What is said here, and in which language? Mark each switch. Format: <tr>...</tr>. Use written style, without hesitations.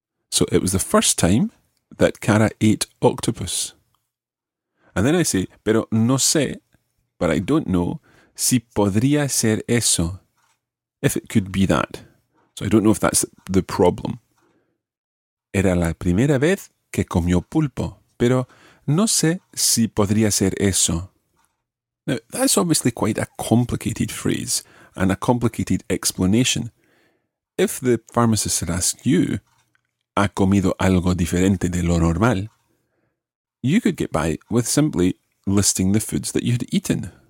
<en>So it was the first time that Kara ate octopus. And then I say,</en> <es>pero no sé,</es> <en>but I don't know,</en> <es>si podría ser eso,</es> <en>if it could be that. So I don't know if that's the problem.</en> <es>Era la primera vez que comió pulpo, pero no sé si podría ser eso.</es> <en>Now, that's obviously quite a complicated phrase and a complicated explanation. If the pharmacist had asked you,</en> <es>¿Ha comido algo diferente de lo normal?</es> <en>You could get by with simply listing the foods that you had eaten.</en>